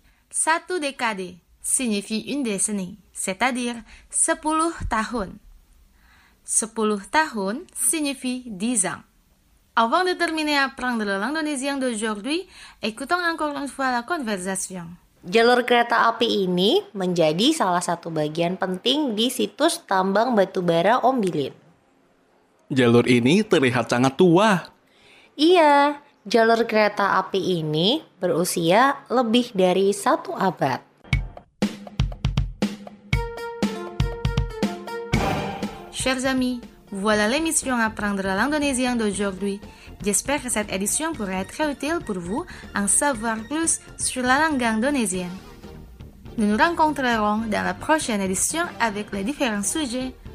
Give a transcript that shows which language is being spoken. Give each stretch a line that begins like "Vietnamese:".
French: Satu décadé signifie une décennie, c'est-à-dire
Indonesian: 10 tahun. 10 tahun
French: signifie 10 ans. Avant de terminer à apprendre le langue d'aujourd'hui, écoutons encore une fois la conversation.
Indonesian: Jalur kereta api ini menjadi salah satu bagian penting di situs tambang batubara Ombilin. Jalur ini terlihat sangat tua. Iya, jalur kereta api ini berusia lebih dari satu abad.
French: Chers amis, voilà l'émission Apprendre l'Indonésien d'aujourd'hui. J'espère que cette édition pourra être très utile pour vous en savoir plus sur la langue indonésienne. Nous nous rencontrerons dans la prochaine édition avec les différents sujets.